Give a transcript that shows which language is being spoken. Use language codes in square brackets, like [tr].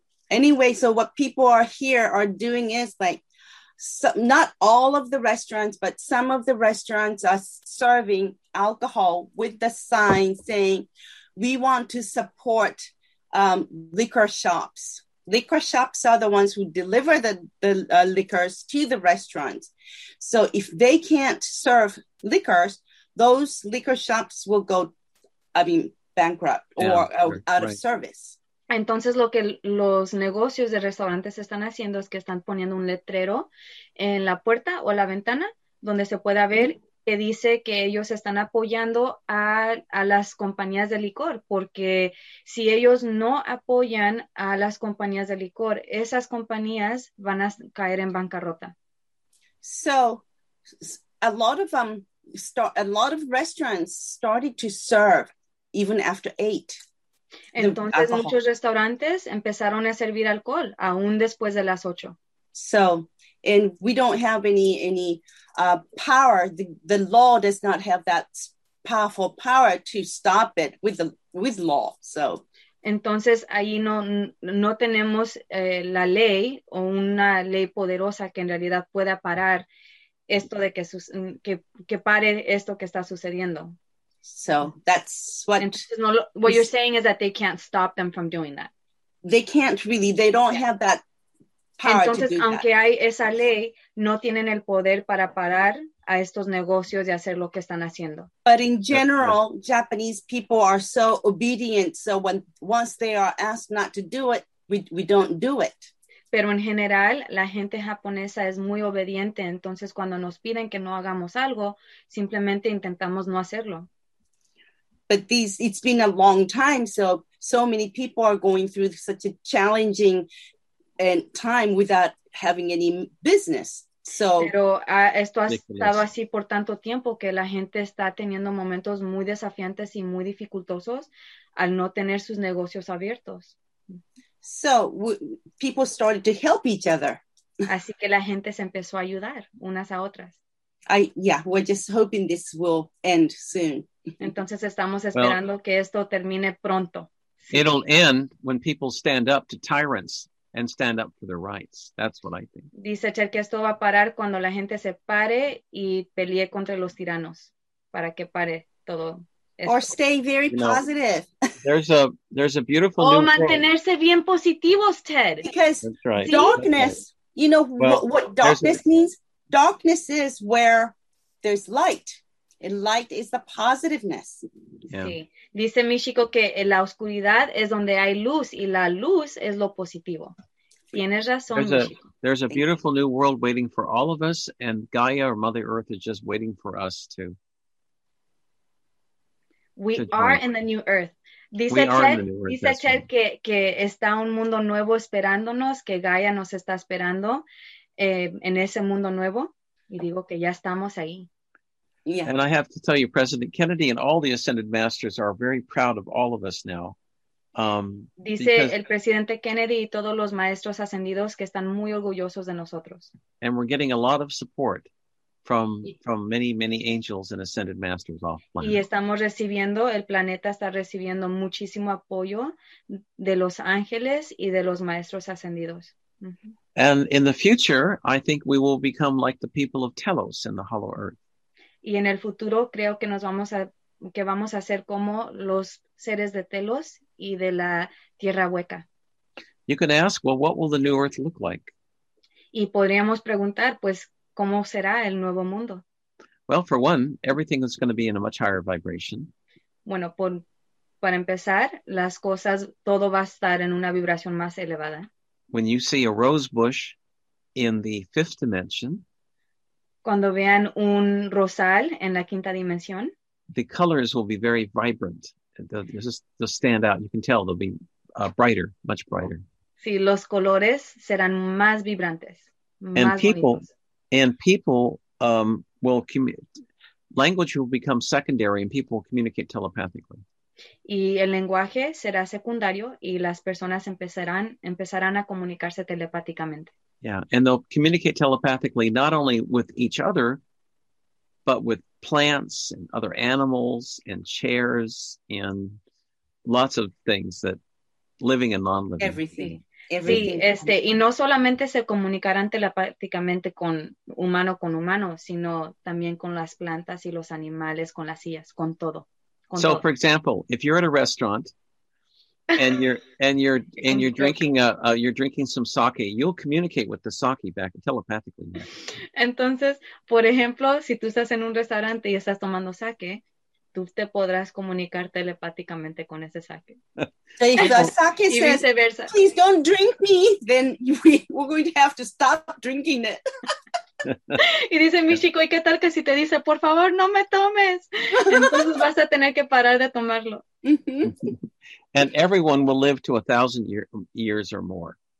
[en] Anyway, so what people are here are doing is like, so not all of the restaurants, but some of the restaurants are serving alcohol with the sign saying, we want to support liquor shops. Liquor shops are the ones who deliver the liquors to the restaurants. So if they can't serve liquors, those liquor shops will go, bankrupt or out of service. [es] Entonces, lo que los negocios de restaurantes están haciendo es que están poniendo un letrero en la puerta o la ventana donde se pueda ver que dice que ellos están apoyando a las compañías de licor, porque si ellos no apoyan a las compañías de licor, esas compañías van a caer en bancarrota. [en] So, a lot of restaurants started to serve even after 8. [es] Entonces muchos restaurantes empezaron a servir alcohol aún después de las 8. [en] So, and we don't have any power. The law does not have that powerful power to stop it with law. So, [es] entonces ahí no tenemos la ley o una ley poderosa que en realidad pueda parar esto de que pare esto que está sucediendo. [en] So that's what you're saying is that they can't stop them from doing that. they can't really, they don't have that power. [es] Entonces, [en] to do [es] aunque [en] that. [es] Hay esa ley, no tienen el poder para parar a estos negocios de hacer lo que están haciendo. [en] But in general, yes. Japanese people are so obedient, so when once they are asked not to do it, we don't do it. [es] Pero en general, la gente japonesa es muy obediente, entonces cuando nos piden que no hagamos algo, simplemente intentamos no hacerlo. [en] But these, it's been a long time, so many people are going through such a challenging time without having any business. So, [es] pero esto ha estado así por tanto tiempo que la gente está teniendo momentos muy desafiantes y muy dificultosos al no tener sus negocios abiertos. [en] So, people started to help each other. [es] Así que la gente se empezó a ayudar unas a otras. [en] We're just hoping this will end soon. [es] Entonces estamos esperando que esto termine pronto. [en] It'll end when people stand up to tyrants and stand up for their rights. That's what I think. [es] Dice Cher que esto va a parar cuando la gente se pare y pelee contra los tiranos para que pare todo esto. [en] Or stay very positive. There's a beautiful new [es] mantenerse [en] world. [es] Bien positivos, Ted. [en] Because right. Darkness, right. You know, what darkness means? Darkness is where there's light. And light is the positiveness. Yeah. [es] Sí. Dice Michiko que la oscuridad es donde hay luz y la luz es lo positivo. Tienes razón, [en] Michiko. There's a beautiful new world waiting for all of us, and Gaia or Mother Earth is just waiting for us too. We are in the new earth. [es] Dice Chet que está un mundo nuevo esperándonos, que Gaia nos está esperando en ese mundo nuevo. Y digo que ya estamos ahí. [en] Yeah. And I have to tell you, President Kennedy and all the Ascended Masters are very proud of all of us now. [es] Dice el presidente Kennedy y todos los maestros ascendidos que están muy orgullosos de nosotros. [en] And we're getting a lot of support. From many, many angels and ascended masters off planet. [es] Y estamos recibiendo, el planeta está recibiendo muchísimo apoyo de los ángeles y de los maestros ascendidos. Mm-hmm. [en] And in the future, I think we will become like the people of Telos in the hollow earth. [es] Y en el futuro creo que vamos a ser como los seres de Telos y de la tierra hueca. [en] You can ask, well, what will the new earth look like? [es] Y podríamos preguntar, pues, ¿cómo será el nuevo mundo? [en] Well, for one, everything is going to be in a much higher vibration. [es] Bueno, para empezar, las cosas, todo va a estar en una vibración más elevada. [en] When you see a rose bush in the fifth dimension, [es] cuando vean un rosal en la quinta dimensión, [en] the colors will be very vibrant. They'll stand out. You can tell they'll be brighter, much brighter. [es] Sí, los colores serán más vibrantes, más [en] and people, [es] bonitos. [en] And people will language will become secondary, and people will communicate telepathically. [es] Y el lenguaje será secundario, y las personas empezarán a comunicarse telepáticamente. [en] Yeah, and they'll communicate telepathically not only with each other, but with plants and other animals and chairs and lots of things that living and non-living. Everything. [es] Sí, y no solamente se comunicarán telepáticamente con humano, sino también con las plantas y los animales, con las sillas, con todo. Con [en] so, [es] todo. [en] For example, if you're at a restaurant and you're drinking you're drinking some sake, you'll communicate with the sake back telepathically. [es] Entonces, por ejemplo, si tú estás en un restaurante y estás tomando sake, tú te podrás comunicar telepáticamente con ese sake. [en] If the sake says, [es] viceversa. [en] Please don't drink me, then we're going to have to stop drinking it. [es] Y dice Michiko, ¿y qué tal que si te dice, por favor, no me tomes? Entonces vas a tener que parar de tomarlo. [en] And everyone will live to 1,000 years or more.